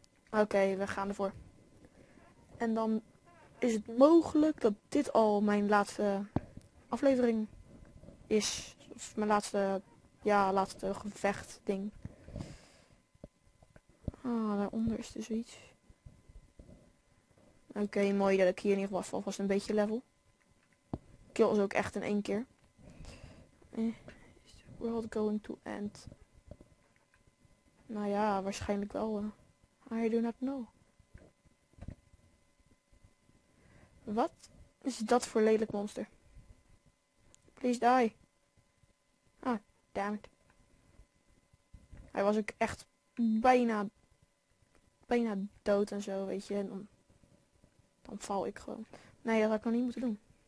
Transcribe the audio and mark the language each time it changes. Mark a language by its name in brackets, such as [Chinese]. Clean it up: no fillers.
[Dutch] Oké, we gaan ervoor. En dan is het mogelijk dat dit al mijn laatste aflevering is. Of mijn laatste, ja, laatste gevecht ding. Ah, daaronder is er zoiets. Oké, mooi dat ik hier in ieder geval alvast een beetje level. Kill is ook echt in één keer. [English] Is the world going to end? [Dutch] Nou ja, waarschijnlijk wel. [English] I do not know. [Dutch] Wat is dat voor lelijk monster? [English] Please die. Ah, damn it. [Dutch] Hij was ook echt bijna dood en zo, weet je. Dan val ik gewoon. Nee, dat had ik nog niet moeten doen.